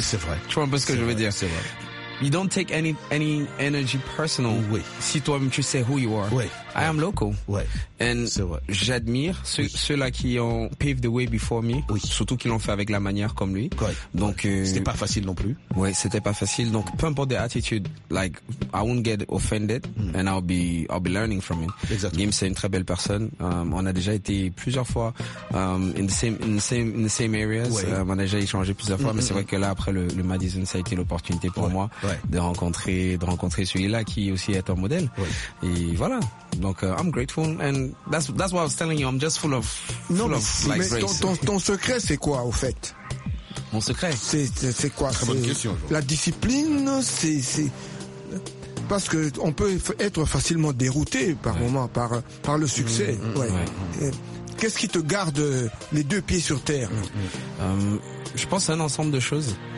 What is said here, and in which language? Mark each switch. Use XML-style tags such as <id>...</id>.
<fr>C'est vrai. Tu vois un peu ce que c'est je veux vrai, dire? C'est vrai.</fr> <en>You don't take any energy personal.</en> <fr>Oui. Si toi-même tu sais</fr> <en>who you are.</en> <fr>Oui.</fr> <en>I am local.</en> <fr>Oui.</fr> <en>And</en> <fr>c'est vrai. J'admire ceux-là qui ont</fr> <en>paved the way before me.</en> <fr>Oui. Surtout qu'ils l'ont fait avec la manière comme lui. Oui. Donc, c'était pas facile non plus. Oui, c'était pas facile. Donc, peu importe</fr> <en>the attitude, like, I won't get offended and I'll be learning from it.</en> <fr>Exactement. Gims, c'est une très belle personne. On a déjà été plusieurs fois,</fr> <en>in the same areas.</en> <fr>Oui. On a déjà échangé plusieurs fois, mais c'est vrai que là, après le Madison, ça a été l'opportunité pour moi. Ouais. De rencontrer celui-là qui aussi est un modèle. Ouais. Et voilà. Donc,</fr> <en>I'm grateful and that's what I was telling you. I'm just full of grace.</en> <fr>Mais ton secret, c'est quoi, au fait? Mon secret? C'est quoi? Très bonne question. La discipline, c'est, parce que on peut être facilement dérouté par moment, par le succès. Qu'est-ce qui te garde les deux pieds sur terre? Je pense à un ensemble de choses.</fr>